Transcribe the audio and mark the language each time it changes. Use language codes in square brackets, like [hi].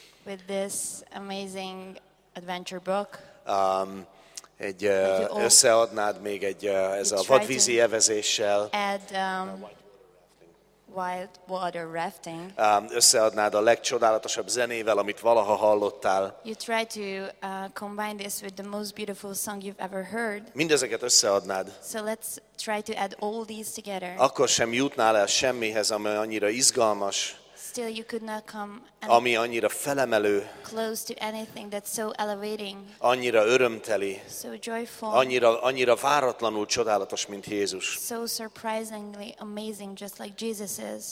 [en] With this amazing adventure book. [hu] Egy összeadnád még egy ez a vadvízi evezéssel. [en] Add wild water rafting. [hu] Összeadnád a legcsodálatosabb zenével, amit valaha hallottál. [en] You try to combine this with the most beautiful song you've ever heard. [hu] Mindezeket összeadnád. [en] So let's try to add all these together. [hu] Akkor sem jutnál el semmihez, ami annyira izgalmas. [en] Still you could not come. [hu] Ami annyira felemelő. [en] Close to anything that's so elevating. [hu] Annyira örömteli. [en] So joyful. [hu] Annyira váratlanul csodálatos, mint Jézus. [en] So surprisingly amazing, just like Jesus is.